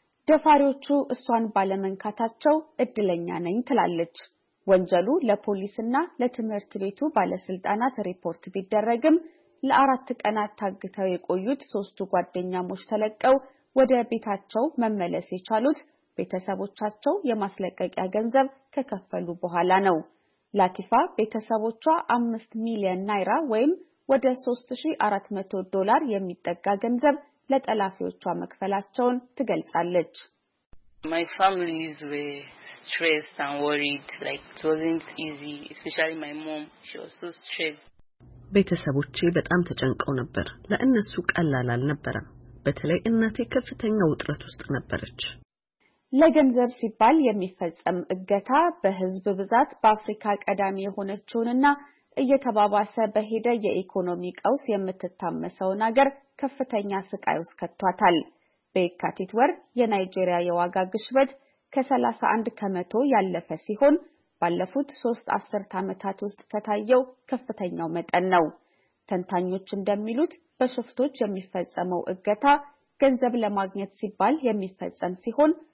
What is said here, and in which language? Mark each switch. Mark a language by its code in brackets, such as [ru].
[am] ደፋሪዎቹ እሷን ባለመንካታቸው እድለኛ ነኝ ትላለች። ወንጀሉ ለፖሊስና ለትምህርት ቤቱ ባለስልጣናት ሪፖርት ቢደረግም ለአራት ቀናት ታግተው የቆዩት ሶስቱ ጓደኛሞች ተለቀው ወደ ቤታቸው መመለስ የቻሉት ቤተሰቦቻቸው የማስለቀቂያ ገንዘብ ከከፈሉ በኋላ ነው። ላቲፋ ቤተሰቦቿ 5 ሚሊዮን ናይራ ወይም ወደ 3400 ዶላር የሚጠጋ ገንዘብ ለጠላፊዎቿ መክፈላቸውን ትገልጻለች። [en] My family is way stressed and worried, like it wasn't easy, especially my mom, she was so stressed. [am] ቤተሰቦቼ በጣም ተጨንቀው ነበር። ለእነሱ ቀላል አልነበረ። በተለይ እናቴ ከፍተኛ ውጥረት ውስጥ ነበረች። ለገንዘብ ሲባል የሚፈጸም እገታ በህዝብ ብዛት በአፍሪካ ቀዳሚ የሆነችውና እየተባባሰ በሄደ የኢኮኖሚ ቀውስ የምትታመሰውን አገር ከፍተኛ ስቃይ ውስጥ ከቷታል። በካቲት ወር የናይጄሪያ የዋጋ ግሽበት ከ31 ከመቶ ያለፈ ሲሆን ባለፉት 3 አስርት ዓመታት ውስጥ ከታየው ከፍተኛው መጠን ነው። ተንታኞች እንደሚሉት በሽፍቶች የሚፈጸመው እገታ ገንዘብ ለማግኘት ሲባል የሚፈጸም ሲሆን